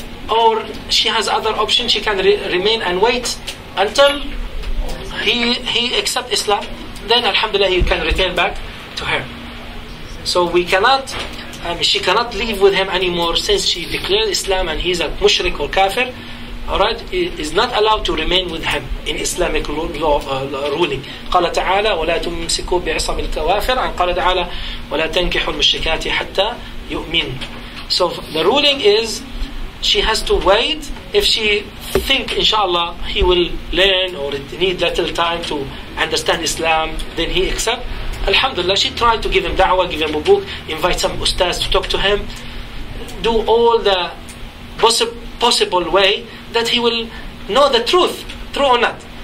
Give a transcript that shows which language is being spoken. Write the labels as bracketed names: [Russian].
[English] Or she has other options, she can remain and wait until he accept Islam. Then alhamdulillah, you can return back to her. So she cannot live with him anymore since she declared Islam and he's a mushrik or kafir. Alright, is not allowed to remain with him in Islamic ruling. [Arabic] قال تعالى ولا تمسكوا بعصم الكوافر عن قال تعالى ولا تنكحوا المشركات حتى يؤمن. [English] So the ruling is she has to wait. If she think, inshallah, he will learn or need little time to understand Islam, then he accept. Alhamdulillah, she tried to give him da'wah, give him a book, invite some ustaz to talk to him, do all the possible way that he will know the truth, true or not.